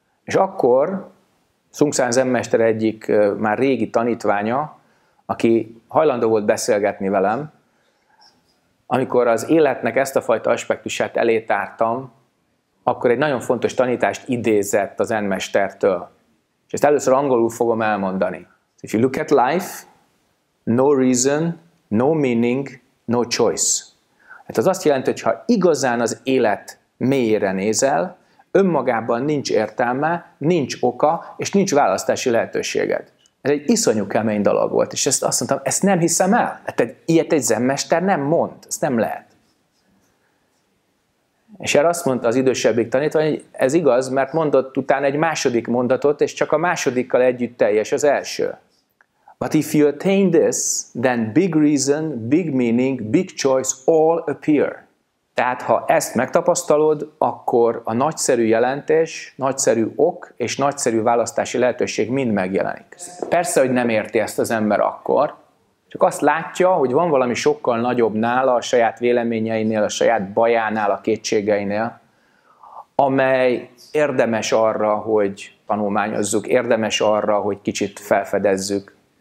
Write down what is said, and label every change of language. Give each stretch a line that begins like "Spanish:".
Hungarian: És akkor Sung San zenmester egyik már régi tanítványa, aki hajlandó volt beszélgetni velem, amikor az életnek ezt a fajta aspektusát elétártam, akkor egy nagyon fontos tanítást idézett az zenmestertől. És ezt először angolul fogom elmondani.
English: If you look at life, no reason, no meaning, no choice.
Hungarian: Hát az azt jelenti, hogy ha igazán az élet mélyére nézel, önmagában nincs értelme, nincs oka, és nincs választási lehetőséged. Ez egy iszonyú kemény dolog volt, és ezt azt mondtam, ezt nem hiszem el. Hát ilyet egy zenmester nem mond, ezt nem lehet. És erre azt mondta az idősebbik tanítvány, hogy ez igaz, mert mondott utána egy második mondatot, és csak a másodikkal együtt teljes az első.
English: But if you attain this, then big reason, big meaning, big choice all appear.
Hungarian: Tehát ha ezt megtapasztalod, akkor a nagyszerű jelentés, nagyszerű ok és nagyszerű választási lehetőség mind megjelenik. Persze, hogy nem érti ezt az ember akkor, csak azt látja, hogy van valami sokkal nagyobb nála, a saját véleményeinél, a saját bajánál, a kétségeinél, amely érdemes arra, hogy tanulmányozzuk, érdemes arra, hogy kicsit felfedezzük.